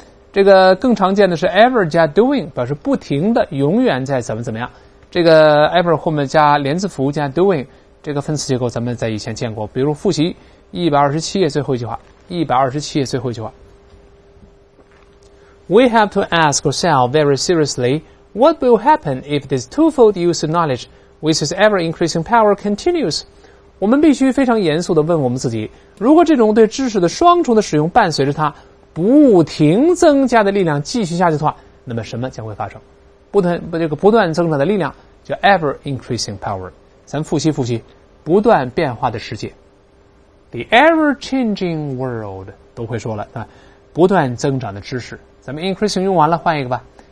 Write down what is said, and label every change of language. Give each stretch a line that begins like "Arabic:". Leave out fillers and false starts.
Chinese: 这个更常见的是 ever 加 doing 表示不停的、永远在怎么怎么样。这个 ever 后面加连字符加 doing 这个分词结构咱们在以前见过，比如复习127页最后一句话， 127页最后一句话。
English: We have to ask ourselves very seriously what will happen if this twofold use of knowledge with its ever-increasing power continues?
Chinese: 我们必须非常严肃地问我们自己，如果这种对知识的双重的使用伴随着它不停增加的力量继续下去的话，那么什么将会发生？不断增长的力量叫 ever-increasing power。咱复习复习，不断变化的世界
English: The ever-changing world
Chinese: 都会说了，不断增长的知识，咱们 increasing 用完了，换一个吧。